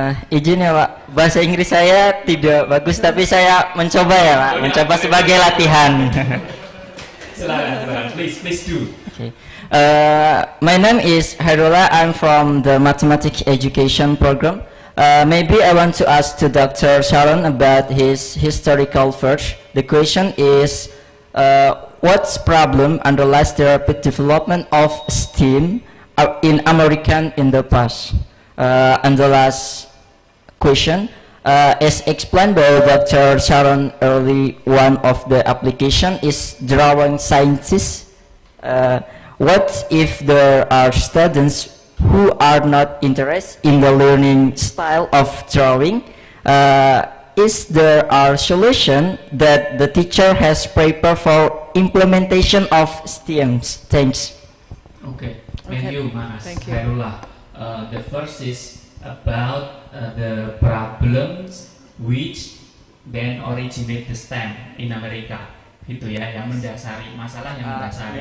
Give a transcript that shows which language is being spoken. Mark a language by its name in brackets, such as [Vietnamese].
[Indonesian] Izin ya Pak, bahasa Inggris saya tidak bagus, tapi saya mencoba ya Pak, mencoba sebagai latihan. [English] Silahkan, please, please do. Okay. My name is Hairullah, I'm from the Mathematics Education Program. Maybe I want to ask to Dr. Sharon about his historical first. The question is, what's problem underlies the rapid development of STEAM in American in the past? And the last question, as explained by Dr. Sharon early, one of the application is drawing scientists. What if there are students who are not interested in the learning style of drawing? Is there a solution that the teacher has prepared for implementation of STEM? Thanks. Okay, thank you, Manas. Thank you. Hairullah. The first is about the problems which then originate the STEM in America. [Indonesian] Itu ya, yang mendasari masalah yang mendasari.